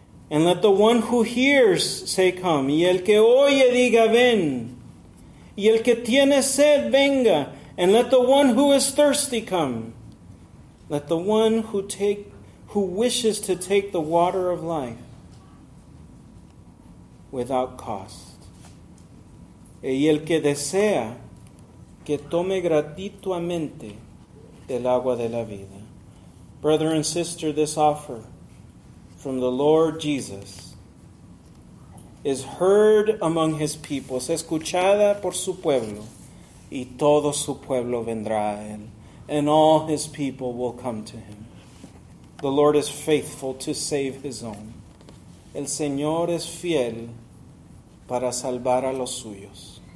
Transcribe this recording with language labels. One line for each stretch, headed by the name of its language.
English: And let the one who hears say, come.
Spanish: Y el que oye diga, ven. Y el que tiene sed, venga.
English: And let the one who is thirsty come. Let the one who wishes to take the water of life without cost.
Spanish: Y el que desea, que tome gratuitamente del agua de la vida.
English: Brother and sister, this offer from the Lord Jesus is heard among his people,
Spanish: es escuchada por su pueblo, y todo su pueblo vendrá a él,
English: and all his people will come to him. The Lord is faithful to save his own.
Spanish: El Señor es fiel para salvar a los suyos.